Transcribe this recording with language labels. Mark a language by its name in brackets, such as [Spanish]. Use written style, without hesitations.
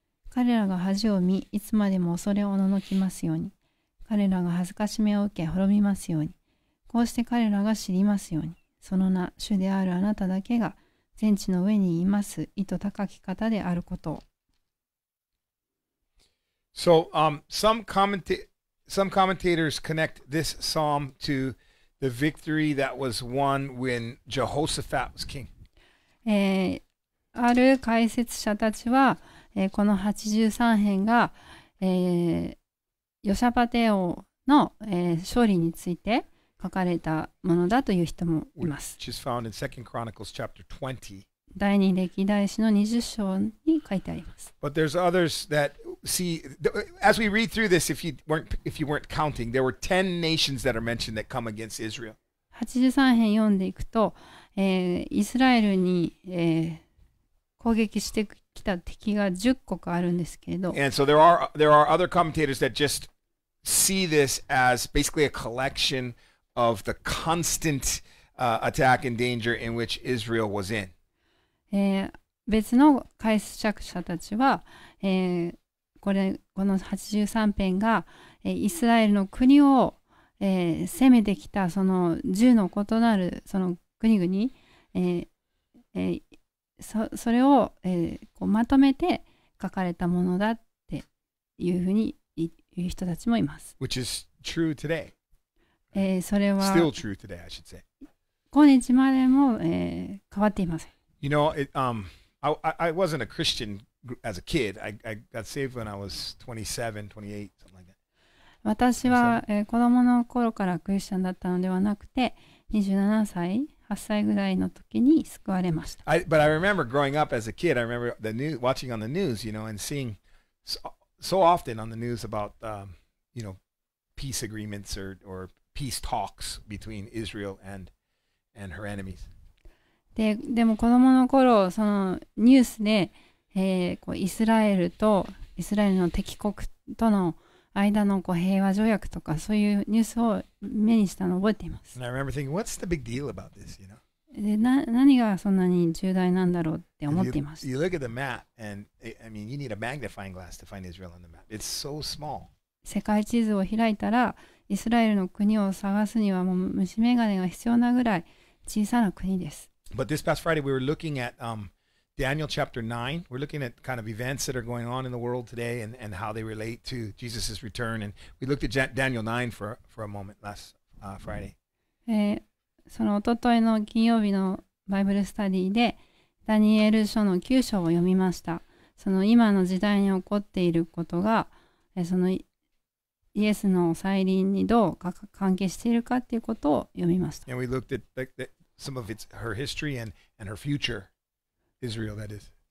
[Japanese] 彼らが恥を見、いつまでも恐れおののきますように。彼らが恥ずかしめを受け滅びますように。こうして彼らが知りますように、その名、主であるあなただけが全地の上にいます意図高き方であることを。 [English] So, some commentators connect this psalm to the victory that was won when Jehoshaphat was king. [Japanese] ある解説者たちは、この83編が、ヨシャパテ王の、勝利について書かれたものだという人もいます。 [English] Which is found in 2 Chronicles chapter 20. [Japanese] 第二歴代史の20章に書いてあります。 [English] But there's others that see, as we read through this, if you weren't counting, there were 10 nations that are mentioned that come against Israel. [Japanese] 83編読んでいくと、イスラエルに、攻撃してきた敵が10国あるんですけれど。 [English] And so there are other commentators that just see this as basically a collection of the constant attack and danger in which Israel was in. [Japanese] 別の解釈者たちは、この83編が、イスラエルの国を、攻めてきたその10の異なるその国々、それを、こうまとめて書かれたものだっていうふうに言う人たちもいます。 [English] Which is true today. [Japanese] それは [English] Still true today, I should say. [Japanese] 今日までも、変わっていません。 [English] You know, I wasn't a Christian as a kid. I got saved when I was 27, 28, something like that. [Japanese] 私は、子供の頃からクリスチャンだったのではなくて、27歳。 8歳ぐらいの時に救われました。 [English] But I remember growing up as a kid, I remember the news, watching on the news, you know, and seeing so often on the news about, you know, peace agreements or peace talks between Israel and her enemies. [Japanese] でも子供の頃、そのニュースで、こうイスラエルとイスラエルの敵国との間のこう平和条約とかそういうニュースを目にしたのを覚えています。 [English] And I remember thinking, what's the big deal about this, you know? [Japanese] で、何がそんなに重大なんだろうって思っていました。 [English] You look at the map and I mean, you need a magnifying glass to find Israel on the map. It's so small. [Japanese] 世界地図を開いたらイスラエルの国を探すにはもう虫眼鏡が必要なぐらい小さな国です。 [English] But this past Friday we were looking at Daniel chapter 9. We're looking at kind of events that are going on in the world today and how they relate to Jesus' return. And we looked at Daniel 9 for a moment last Friday. [Japanese] そのおとといの金曜日のバイブルスタディでダニエル書の9章を読みました。その今の時代に起こっていることが、そのイエスの再臨にどう関係しているかということを読みました。 [English] And we looked at the some of its, her history and her future. Israel, that is.